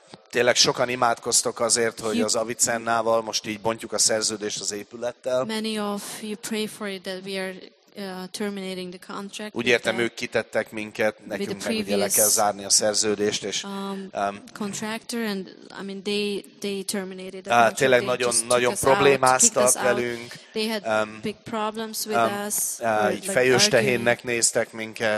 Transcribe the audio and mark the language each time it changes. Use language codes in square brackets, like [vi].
[hu] Tényleg sokan imádkoztok azért, hogy az Avicennával most így bontjuk a szerződést az épülettel. [en] Many of you pray for it that we are terminating the contract. [hu] Úgy értem, ők kitettek minket, nekünk meg ugye le kell zárni a szerződést, és [en] contractor and I mean they terminated. [hu] Tényleg nagyon problémáztak velünk. [en] They had big problems with us. [hu] Így fejős tehénnek néztek minket.